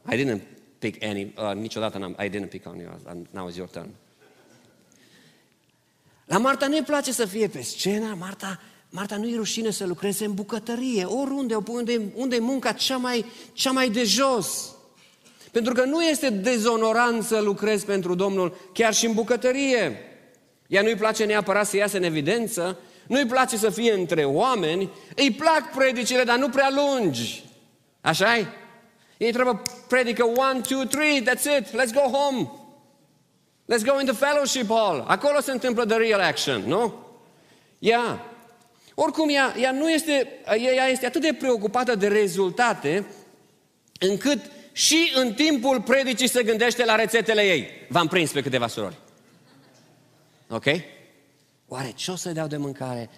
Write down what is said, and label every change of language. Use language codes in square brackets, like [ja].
[en] I didn't pick any, [ro] niciodată n-am, [en] I didn't pick on you, now is your turn. [ro] La Marta nu-i place să fie pe scenă, Marta nu-i rușine să lucreze în bucătărie, oriunde, unde e munca cea mai de jos. Pentru că nu este dezonorant să lucrezi pentru Domnul chiar și în bucătărie. Ea nu-i place neapărat să iasă în evidență, nu-i place să fie între oameni, îi plac predicile, dar nu prea lungi. Așa-i? Ei trebuie predică [en] 1, 2, 3, that's it, let's go home. Let's go into fellowship hall. [ro] Acolo se întâmplă [en] the real action, [ro] nu? Ea. Oricum, ea nu este, ea este atât de preocupată de rezultate, încât și în timpul predicii se gândește la rețetele ei. V-am prins pe câteva surori. Ok? Oare ce o să dau de mâncare?